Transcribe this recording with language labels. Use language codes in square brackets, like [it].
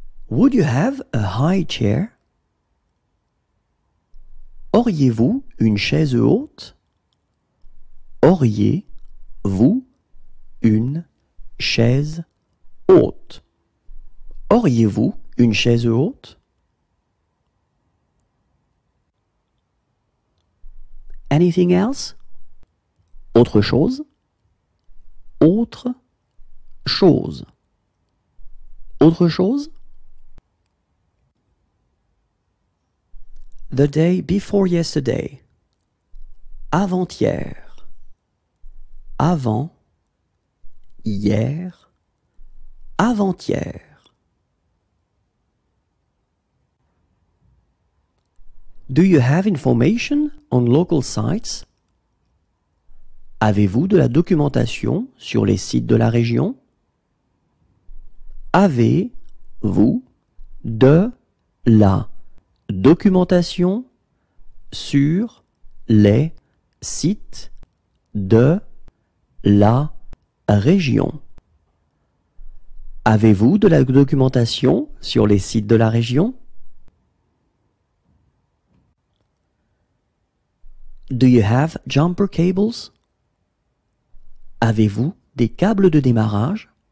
[en] Would you have a high chair? [fr] Auriez-vous une chaise haute? Auriez-vous une chaise haute? Auriez-vous une chaise haute? [en] Anything else? [fr] Autre chose? Autre chose. Autre chose? [en] The day before yesterday. [fr] Avant-hier. Avant-hier. Avant-hier. [en] Do you have information on local sites? [fr] Avez-vous de la documentation sur les sites de la région? Avez-vous de la documentation sur les sites de la région. Avez-vous de la documentation sur les sites de la région? [en] Do you have jumper cables? [fr] Avez-vous des câbles de démarrage?